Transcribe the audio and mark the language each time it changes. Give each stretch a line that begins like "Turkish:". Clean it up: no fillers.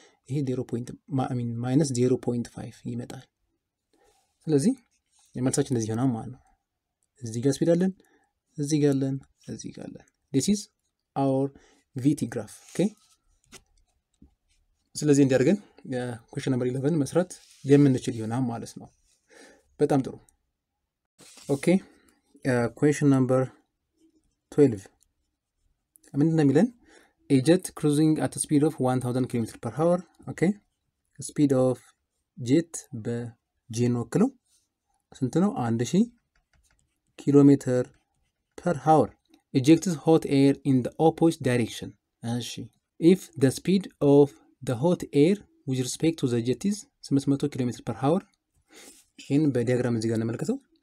Amharic: ይሄ 0.5 ማይነስ 0.5 ይመጣል። ስለዚህ የመልሳችን እንደዚህ ሆነ ማለት ነው። እዚህ ጋር ስፒዳለን፣ እዚህ ጋር አለን፣ እዚህ ጋር አለን።
English: This is our VT graph. Okay?
Amharic: ስለዚህ እንዲያርገን ኩዌሽን ነምበር 11 መስራት የምንችል ይሆናል ማለት ነው። በጣም ጥሩ። ኦኬ ኩዌሽን ነምበር 12 ምን እንደሚለን?
English: A jet cruising at a speed of 1000 km per hour. Okay? Speed of jet
Amharic: በጄኖክሎ ስንት ነው?
English: 1000 ኪሎሜትር ፐር ሃወር ኢጀክትስ ሆት ኤር ኢን ዘ ኦፖዚት ዳይሬክሽን።
Amharic: እሺ
English: ኢፍ ዘ ስፒድ ኦፍ ዘ ሆት ኤር ዊዝ ሪስፔክት ቱ ዘ ጀት ኢዝ 800 ኪሎ ሜትር ፐር ሃወር።
Amharic: ይህን በዲያግራም እዚህ ጋር እንመልከተው።